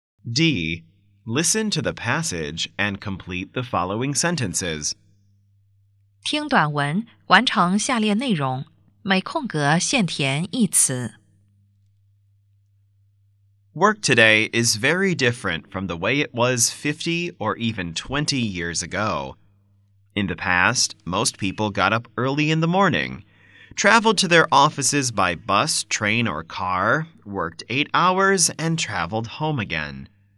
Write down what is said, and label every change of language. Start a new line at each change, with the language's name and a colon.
English: D. Listen to the passage and complete the following sentences.
Chinese: 听短文，完成下列内容，每空格限填一词。
English: Work today is very different from the way it was 50 or even 20 years ago. In the past, most people got up early in the morning, traveled to their offices by bus, train, or car, worked 8 hours, and traveled home again.